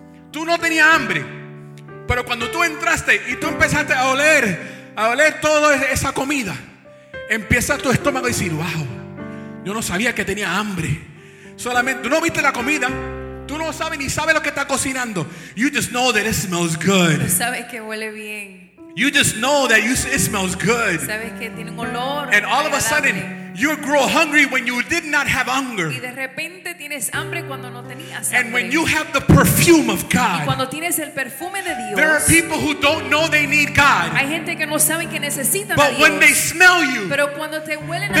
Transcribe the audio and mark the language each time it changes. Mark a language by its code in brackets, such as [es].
[es] Tú no tenías hambre, pero cuando tú entraste y tú empezaste a oler toda esa comida, empieza tu estómago a decir, wow, yo no sabía que tenía hambre. Solamente, tú no viste la comida, tú no sabes ni sabes lo que está cocinando. [en] You just know that it smells good. [es] Sabes que huele bien. [en] You just know that it smells good. [es] Sabes que tiene un olor. [en] And all of a sudden, you grow hungry when you did not have hunger. [es] Y de repente tienes hambre cuando no tenías hambre. [en] And when you have the perfume of God. [es] Y cuando tienes el perfume de Dios. [en] There are people who don't know they need God. [es] Hay gente que no saben que necesitan a Dios. [en] But when they smell you. [es] Pero cuando te huelen a ti.